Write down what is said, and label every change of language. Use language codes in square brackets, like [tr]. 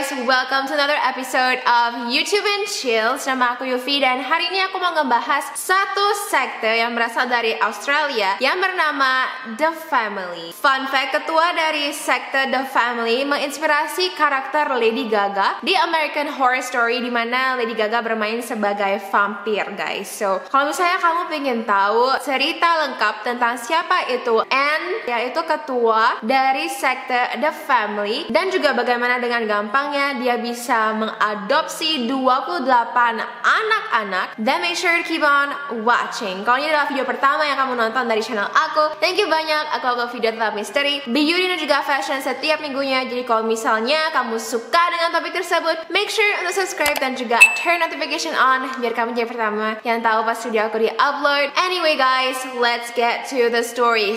[en] Welcome to another episode of YouTube and Chills. [id] Nama aku Yufi dan hari ini aku mau ngebahas satu sekte yang berasal dari Australia yang bernama The Family. Fun fact, ketua dari sekte The Family menginspirasi karakter Lady Gaga di American Horror Story, di mana Lady Gaga bermain sebagai vampir, guys. So, kalau misalnya kamu pengen tahu cerita lengkap tentang siapa itu Anne, yaitu ketua dari sekte The Family, dan juga bagaimana dengan gampangnya dia bisa mengadopsi 28 anak-anak, [en] then make sure to keep on watching. [id] Kalau ini adalah video pertama yang kamu nonton dari channel aku, [en] thank you [id] banyak. Aku upload video tentang misteri, beauty dan juga fashion setiap minggunya. Jadi kalau misalnya kamu suka dengan topik tersebut, [en] make sure [id] untuk subscribe dan juga [en] turn notification on [id] biar kamu jadi pertama yang tahu pas video aku di-upload. [en] Anyway guys, let's get to the story.